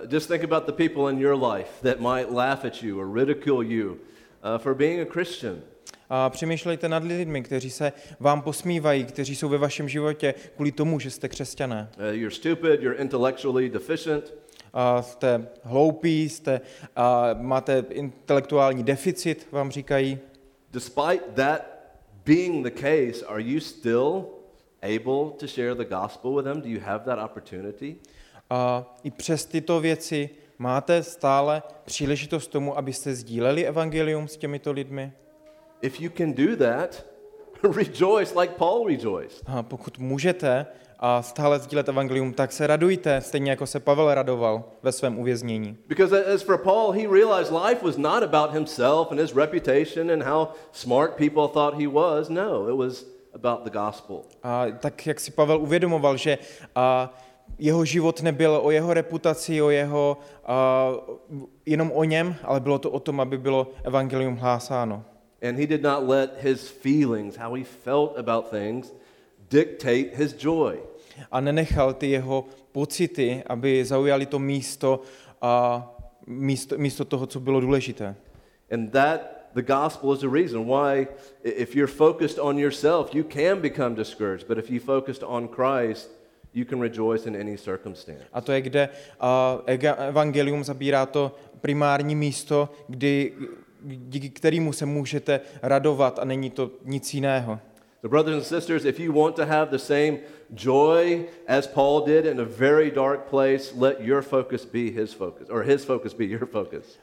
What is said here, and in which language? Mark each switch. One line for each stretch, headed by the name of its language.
English: Just think about the people in your life that might laugh at you or ridicule you for being a Christian.
Czech: A přemýšlejte nad lidmi, kteří se vám posmívají, kteří jsou ve vašem životě kvůli tomu, že jste křesťané.
English: You're stupid, you're intellectually deficient.
Czech: Jste hloupí, máte intelektuální deficit, vám říkají.
English: Despite that being the case, are you still able to share the gospel with them? Do you have that opportunity?
Czech: A i přes tyto věci máte stále příležitost tomu, abyste sdíleli evangelium s těmito lidmi?
English: If you can do that, rejoice like Paul rejoiced.
Czech: A pokud můžete a stále sdílet evangelium, tak se radujte, stejně jako se Pavel radoval ve svém uvěznění.
English: Because as for Paul, he realized life was not about himself and his reputation and how smart people thought he was. No, it was about the gospel.
Czech: A tak jak si Pavel uvědomoval, že jeho život nebyl o jeho reputaci, o jeho jenom o něm, ale bylo to o tom, aby bylo evangelium hlásáno.
English: And he did not let his feelings, how he felt about things, dictate his joy.
Czech: A nenechal ty jeho pocity, aby zaujali to místo a místo toho, co bylo důležité.
English: And that the gospel is the reason why if you're focused on yourself, you can become discouraged, but if you focused on Christ, you can rejoice in any circumstance.
Czech: A to je, kde evangelium zabírá to primární místo, díky kterému se můžete radovat, a není to nic jiného.
English: The brothers and sisters, if you want to have the same joy as Paul did in a very dark place, let your focus be his focus, or his focus be your focus.